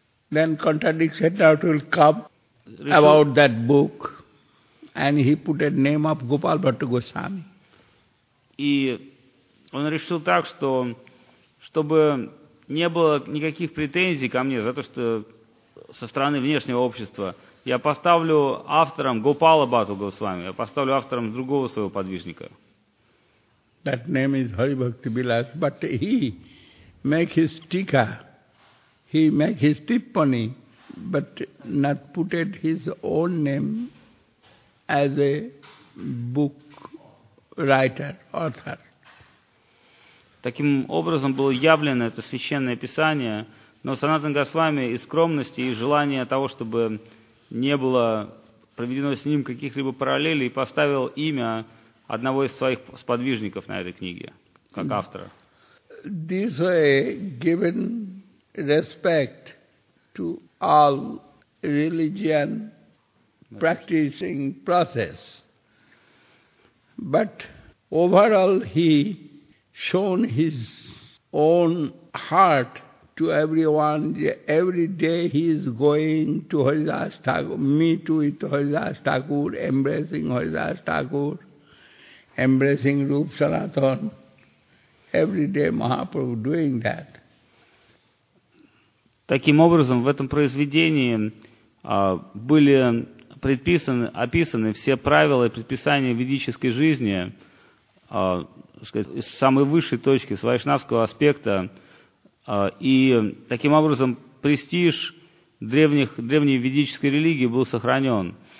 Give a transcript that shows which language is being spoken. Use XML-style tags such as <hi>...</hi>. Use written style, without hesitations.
<en>Then contradiction out will come about that book, and he put a name of Gopal Bhatta Goswami.</en> <ru>И он решил так, что чтобы не было никаких претензий ко мне за то, что со стороны внешнего общества я поставлю автором Гопала Бхатта Госвами, я поставлю автором другого своего подвижника.</ru> <en>That name is Hari Bhakti Vilas, but he make his tika, he make his tippani, but not put it his own name as a book writer, author.</en> <ru>Таким образом было явлено это священное писание, но Санатан Госвами из скромности и желания того, чтобы не было проведено с ним каких-либо параллелей, поставил имя одного из своих сподвижников на этой книге, как автора.</ru> <en>This way given respect to all religion practicing process, but overall he shown his own heart to everyone. Every day he is going to Haridas Thakur, meet with Haridas Thakur, embracing Haridas Thakur, embracing Rupa Sanatana. Every day Mahaprabhu doing that.</en> <ru>Таким образом, в этом произведении были предписаны, описаны все правила и предписания ведической жизни, с самой высшей точки, с вайшнавского аспекта. И таким образом престиж древней ведической религии был сохранен.</ru>